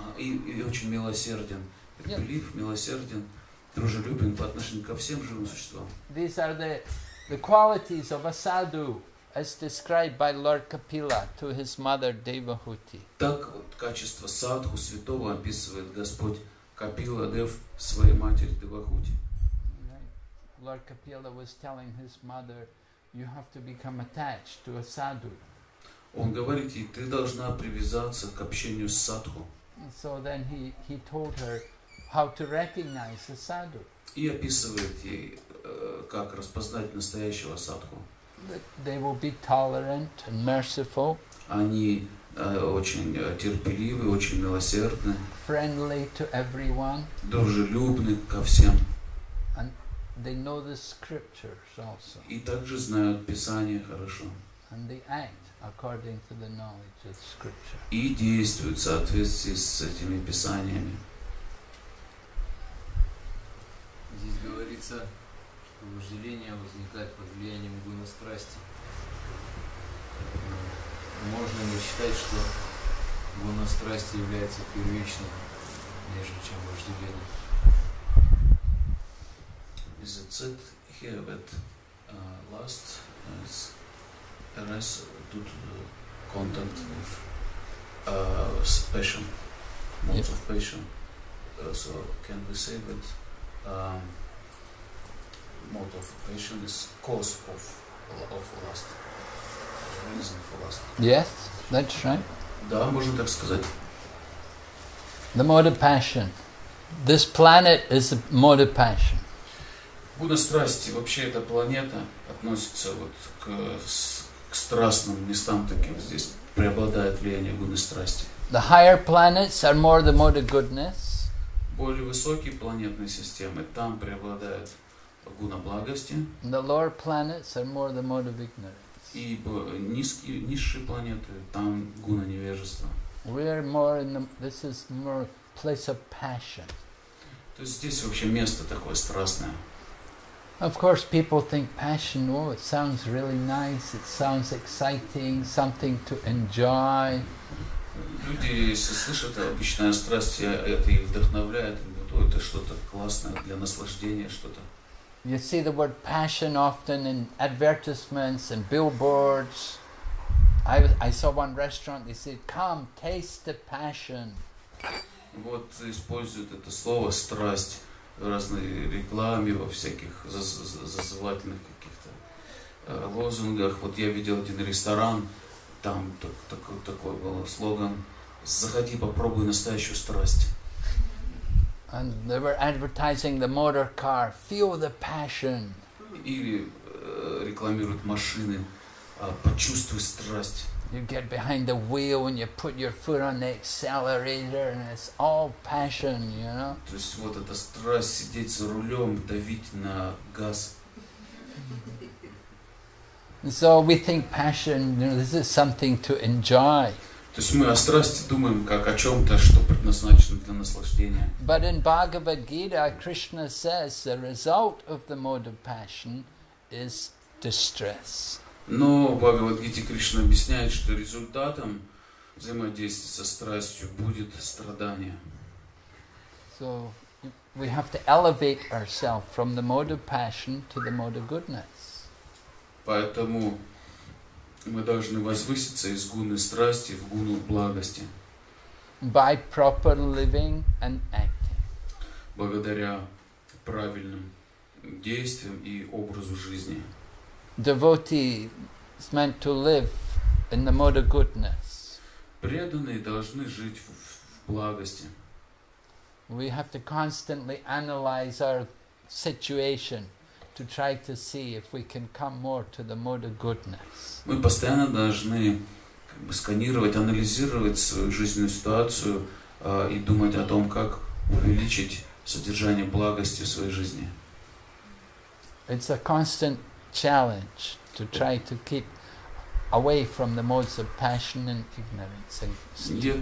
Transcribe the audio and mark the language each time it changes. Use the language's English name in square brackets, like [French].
[Russian] И очень милосерден, терпелив, милосерден, дружелюбен по отношению ко всем живым существам. [English] These are the qualities of a sadhu, as described by Lord Kapila to his mother Devahuti. [Russian] Так вот качество садху святого описывает Господь Капила Дев своей матери Девахути. [English] Lord Kapila was telling his mother, "You have to become attached to a sadhu." [Russian] Он говорит ей, ты должна привязаться к общению с садху. [English] So then he told her how to recognize a sadhu. [Russian] И описывает ей, как распознать настоящего садху. [English] They will be tolerant and merciful. [Russian] Они очень терпеливы, очень милосердны. [English] Friendly to everyone. [Russian] Дружелюбны ко всем. [English] And they know the scriptures also. [Russian] И также знают Писание хорошо. [English] And they act according to the knowledge of scripture. [Russian] И действуют в соответствии с этими писаниями. Здесь говорится, что вожделение возникает под влиянием гуна страсти. Можно ли считать, что гуна страсти является первичным, нежели чем вожделение? [English] Is it said here that lust is less due to the content of passion, modes of passion. So can we say that mode of passion is cause of lust, reason for lust? Yes, that's right. [Russian] Да, можно так сказать. [English] The mode of passion. This planet is a mode of passion. [Russian] Гуна страсти, вообще эта планета относится вот к страстным местам таким, здесь преобладает влияние гуны страсти. [English] The higher planets are more the mode of goodness. [Russian] Более высокие планетные системы, там преобладает гуна благости. [English] The lower planets are more the mode of ignorance. [Russian] И низшие планеты, там гуна невежества. [English] We are more in the, this is more place of passion. [Russian] То есть здесь вообще место такое страстное. [English] Of course, people think passion, oh, it sounds really nice, it sounds exciting, something to enjoy. [Russian] Люди, если слышат обычная страсть, это их вдохновляет, это что-то классное для наслаждения, что-то. [English] You see the word passion often in advertisements and billboards. I saw one restaurant, they said, come, taste the passion. [Russian] Вот используют это слово страсть. В разной рекламе, во всяких зазывательных каких-то лозунгах. Вот я видел один ресторан, там такой был слоган: «Заходи, попробуй настоящую страсть». Или рекламируют машины: «Почувствуй страсть». [English] You get behind the wheel and you put your foot on the accelerator and it's all passion, you know? [Russian] То есть вот эта страсть сидеть за рулем, давить на газ. [English] So we think passion, you know, this is something to enjoy. [Russian] То есть мы о страсти думаем как о чем-то, что предназначено для наслаждения. [English] But in Bhagavad Gita, Krishna says the result of the mode of passion is distress. [Russian] Но Бхагавад-гите Кришна объясняет, что результатом взаимодействия со страстью будет страдание. [English] So we have to elevate ourselves from the mode of passion to the mode of goodness. [Russian] Поэтому мы должны возвыситься из гуны страсти в гуну благости. [English] By proper living and acting. [Russian] Благодаря правильным действиям и образу жизни. [English] Devotee is meant to live in the mode of goodness. [Russian] Преданные должны жить в благости. [English] We have to constantly analyze our situation to try to see if we can come more to the mode of goodness. [Russian] Мы постоянно должны как бы сканировать, анализировать свою жизненную ситуацию и думать о том, как увеличить содержание благости в своей жизни. [English] It's a constant challenge to try to keep away from the modes of passion and ignorance and